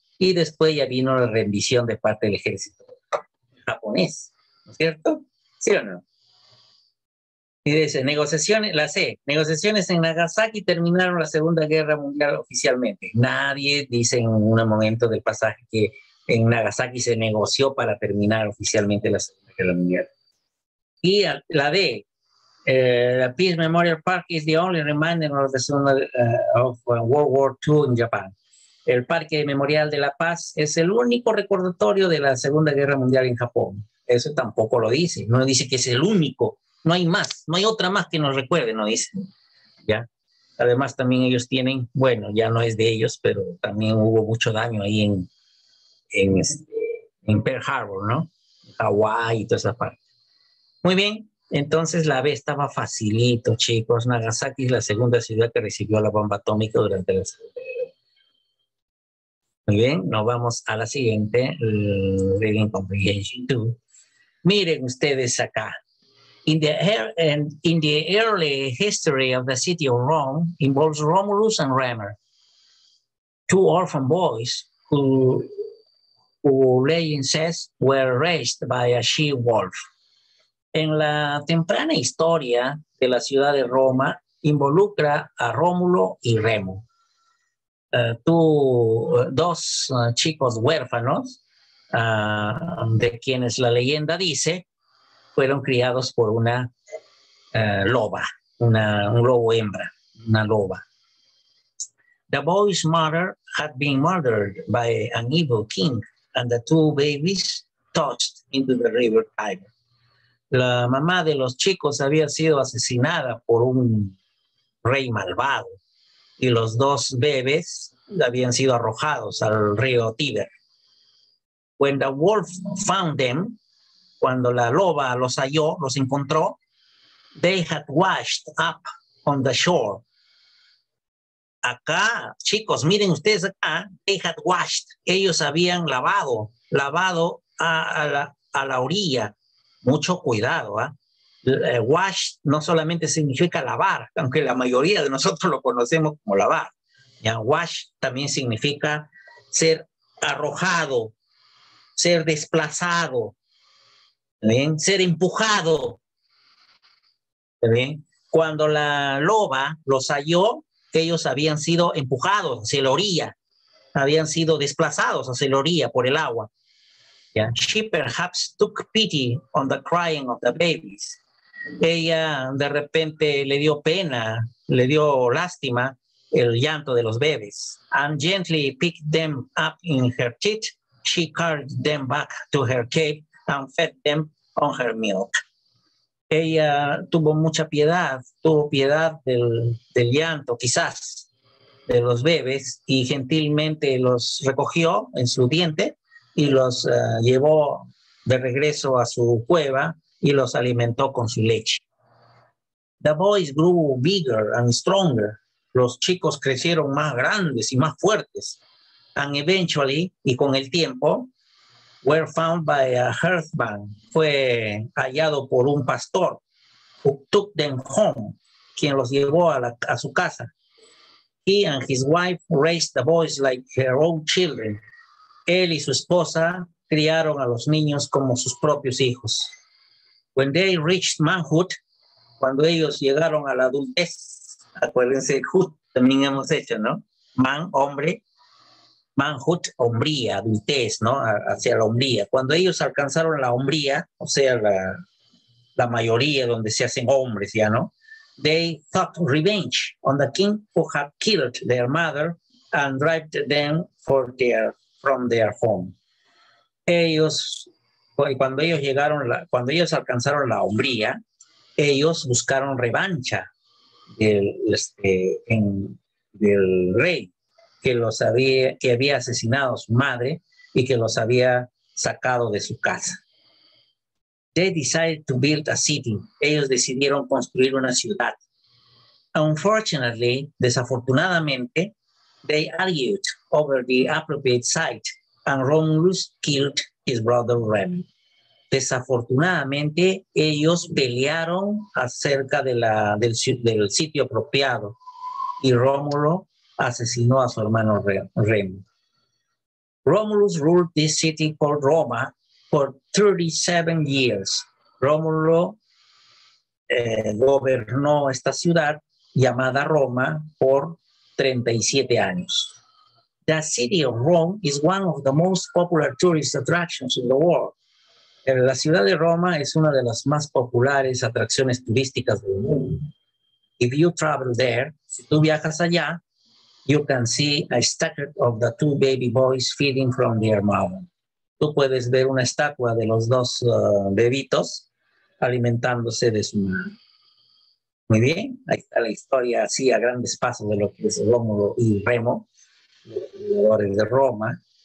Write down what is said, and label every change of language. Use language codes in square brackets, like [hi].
[es] Y después ya vino la rendición de parte del ejército japonés, ¿no es cierto? ¿Sí o no? Y dice, negociaciones, la C, negociaciones en Nagasaki terminaron la Segunda Guerra Mundial oficialmente. Nadie dice en un momento del pasaje que en Nagasaki se negoció para terminar oficialmente la Segunda Guerra Mundial. Y la D, la [en] Peace Memorial Park is the only remainder of the Second of World War II in Japan. [es] El Parque Memorial de la Paz es el único recordatorio de la Segunda Guerra Mundial en Japón. Eso tampoco lo dice. No dice que es el único. No hay más. No hay otra más que nos recuerde, no dice. ¿Ya? Además, también ellos tienen, bueno, ya no es de ellos, pero también hubo mucho daño ahí en Pearl Harbor, ¿no? Hawái y toda esa parte. Muy bien, entonces la B estaba facilito, chicos. Nagasaki es la segunda ciudad que recibió la bomba atómica durante la Segunda Guerra. Muy bien, nos vamos a la siguiente. [en] Reading Comprehension 2. [es] Miren ustedes acá. [en] In the early history of the city of Rome involves Romulus and Remer, two orphan boys who legend says were raised by a she-wolf. [es] En la temprana historia de la ciudad de Roma involucra a Rómulo y Remo, dos chicos huérfanos de quienes la leyenda dice fueron criados por una loba, un lobo hembra, una loba. [en] The boy's mother had been murdered by an evil king and the two babies tossed into the river Tiber. [es] La mamá de los chicos había sido asesinada por un rey malvado y los dos bebés habían sido arrojados al río Tíber. [en] When the wolf found them, [es] cuando la loba los halló, los encontró, [en] they had washed up on the shore. [es] Acá, chicos, miren ustedes acá, [en] they had washed, [es] ellos habían lavado a la orilla. Mucho cuidado, ¿eh? Wash no solamente significa lavar, aunque la mayoría de nosotros lo conocemos como lavar. ¿Ya? Wash también significa ser arrojado, ser desplazado, ¿bien? Ser empujado. ¿Bien? Cuando la loba los halló, ellos habían sido empujados hacia la orilla, habían sido desplazados hacia la orilla por el agua. [en] She perhaps took pity on the crying of the babies. [es] Ella de repente le dio pena, le dio lástima el llanto de los bebés. [en] And gently picked them up in her teeth, she carried them back to her cave and fed them on her milk. [es] Ella tuvo mucha piedad, tuvo piedad del llanto, quizás, de los bebés y gentilmente los recogió en su diente y los llevó de regreso a su cueva y los alimentó con su leche. [en] The boys grew bigger and stronger. [es] Los chicos crecieron más grandes y más fuertes. [en] And eventually, [es] y con el tiempo, [en] were found by a herdsman. [es] Fue hallado por un pastor [en] who took them home, [es] quien los llevó a su casa. [en] He and his wife raised the boys like their own children. [es] Él y su esposa criaron a los niños como sus propios hijos. [en] When they reached manhood, [es] cuando ellos llegaron a la adultez, acuérdense, hood, también hemos hecho, ¿no? Man, hombre, manhood, hombría, adultez, ¿no? Hacia la hombría. Cuando ellos alcanzaron la hombría, o sea, la mayoría donde se hacen hombres, ¿ya no? [en] They thought revenge on the king who had killed their mother and dragged them for their from their home. [es] Ellos, cuando ellos alcanzaron la hombría, ellos buscaron revancha del rey que había asesinado a su madre y que los había sacado de su casa. [en] They decided to build a city. [es] Ellos decidieron construir una ciudad. [en] Unfortunately, [es] desafortunadamente, [en] they argued over the appropriate site and Romulus killed his brother Rem. [es] Desafortunadamente, ellos pelearon acerca del sitio apropiado y Romulo asesinó a su hermano Rem. [en] Romulus ruled this city called Roma for 37 years. [es] Romulo gobernó esta ciudad llamada Roma por 37 años. [en] The city of Rome is one of the most popular tourist attractions in the world. [es] La ciudad de Roma es una de las más populares atracciones turísticas del mundo. [en] If you travel there, [es] si tú viajas allá, [en] you can see a statue of the two baby boys feeding from their mom. [es] Tú puedes ver una estatua de los dos bebitos alimentándose de su madre. Muy bien, ahí está la historia así a grandes pasos de lo que es Rómulo y Remo, los jugadores de Roma.